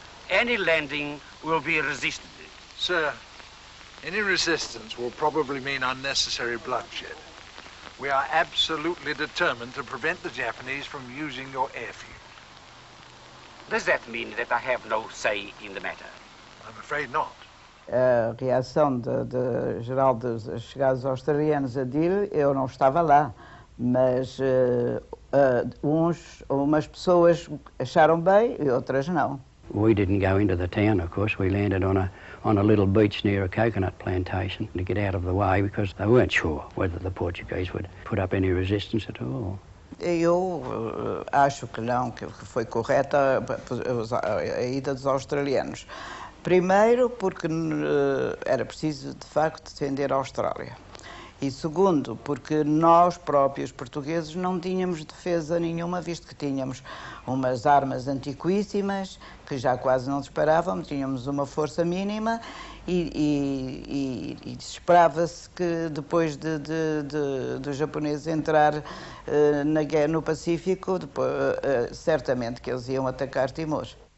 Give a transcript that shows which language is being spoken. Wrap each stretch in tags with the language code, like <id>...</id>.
<en>Any landing will be resisted. Sir, any resistance will probably mean unnecessary bloodshed. We are absolutely determined to prevent the Japanese from using your airfield. Does that mean that I have no say in the matter? I'm afraid not.</en> <pt>A reação de geral de chegados australianos a Dili, eu não estava lá, mas umas pessoas acharam bem e outras não.</pt> <en>We didn't go into the town, of course. We landed on a little beach near a coconut plantation to get out of the way because they weren't sure whether the Portuguese would put up any resistance at all.</en> <pt>Eu acho que não, que foi correta a ida dos australianos. Primeiro, porque era preciso, de facto, defender a Austrália. E segundo, porque nós próprios portugueses não tínhamos defesa nenhuma, visto que tínhamos umas armas antiquíssimas, que já quase não disparavam, tínhamos uma força mínima e esperava-se que depois de japoneses entrar na guerra no Pacífico, depois, certamente que eles iam atacar Timor.</pt>